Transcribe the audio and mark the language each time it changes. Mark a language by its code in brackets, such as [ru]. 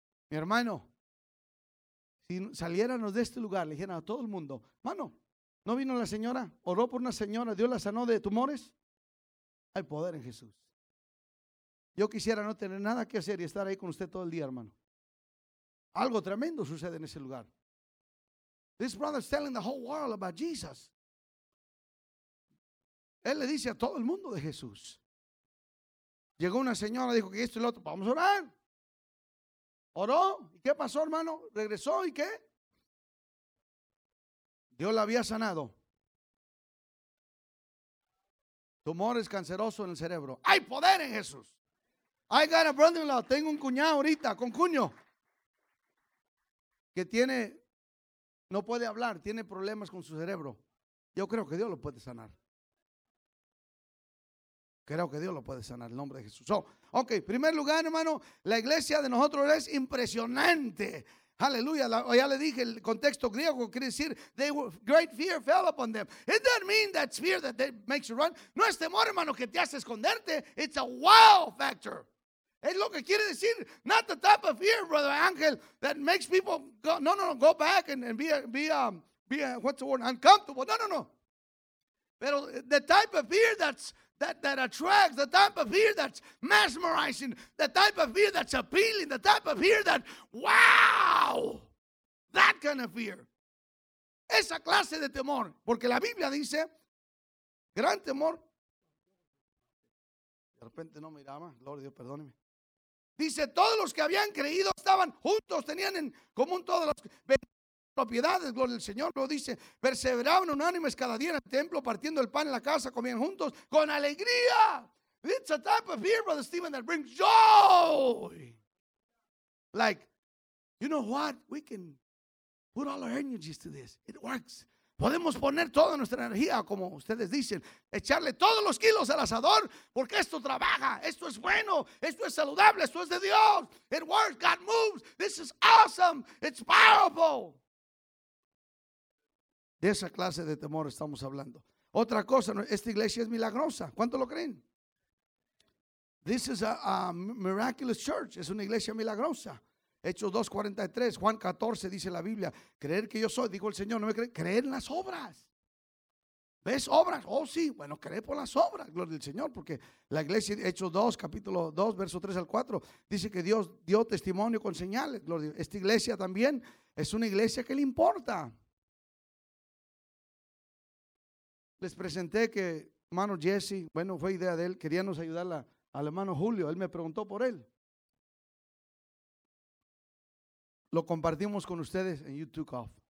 [es] Mi hermano, si saliéramos de este lugar, le dijeran a todo el mundo, hermano, ¿no vino la señora? ¿Oró por una señora? ¿Dios la sanó de tumores? Hay poder en Jesús. Yo quisiera no tener nada que hacer y estar ahí con usted todo el día, hermano. Algo tremendo sucede en ese lugar. [en] This brother is telling the whole world about Jesus. [es] Él le dice a todo el mundo de Jesús. Llegó una señora, dijo que esto y lo otro, vamos a orar. ¿Oró? ¿Y qué pasó, hermano? ¿Regresó y qué? Dios la había sanado. Tumores cancerosos en el cerebro. ¡Hay poder en Jesús! [en] I got a brother-in-law. [es] Tengo un cuñado ahorita, con cuño. Que tiene, no puede hablar, tiene problemas con su cerebro. Yo creo que Dios lo puede sanar. Creo que Dios lo puede sanar, el nombre de Jesús. So, ok, primer lugar, hermano, la iglesia de nosotros es impresionante. Aleluya, ya le dije, el contexto griego quiere decir, [en] they were, great fear fell upon them. It doesn't mean that fear that they makes you run. [es] No es temor, hermano, que te hace esconderte. [en] It's a wow factor. [es] Es lo que quiere decir, [en] not the type of fear, brother Ángel, that makes people go, no, go back and be what's the word, uncomfortable. No. [es] Pero [en] the type of fear that attracts, the type of fear that's mesmerizing, the type of fear that's appealing, the type of fear that, wow, that kind of fear. [es] Esa clase de temor, porque la Biblia dice, gran temor. De repente no miraba, gloria a Dios, perdóneme. Dice, todos los que habían creído estaban juntos, tenían en común todas las propiedades, gloria al Señor, lo dice, perseveraban unánimes cada día en el templo, partiendo el pan en la casa, comían juntos con alegría. [en] It's a type of fear, brother Stephen, that brings joy. Like, you know what? We can put all our energies to this. It works. [es] Podemos poner toda nuestra energía, como ustedes dicen, echarle todos los kilos al asador, porque esto trabaja, esto es bueno, esto es saludable, esto es de Dios. [en] It works. God moves. This is awesome. It's powerful. [es] De esa clase de temor estamos hablando. Otra cosa, esta iglesia es milagrosa. ¿Cuánto lo creen? [en] This is a miraculous church. [es] Es una iglesia milagrosa. Hechos 2:43, Juan 14 dice la Biblia. Creer que yo soy, dijo el Señor, no me creen. Creer en las obras. ¿Ves obras? Oh, sí. Bueno, cree por las obras, gloria al Señor. Porque la iglesia, Hechos 2, capítulo 2, verso 3 al 4, dice que Dios dio testimonio con señales. Gloria. Esta iglesia también es una iglesia que le importa. Les presenté que hermano Jesse, bueno, fue idea de él, queríamos ayudar al hermano Julio. Él me preguntó por él. Lo compartimos con ustedes [en] and you took off.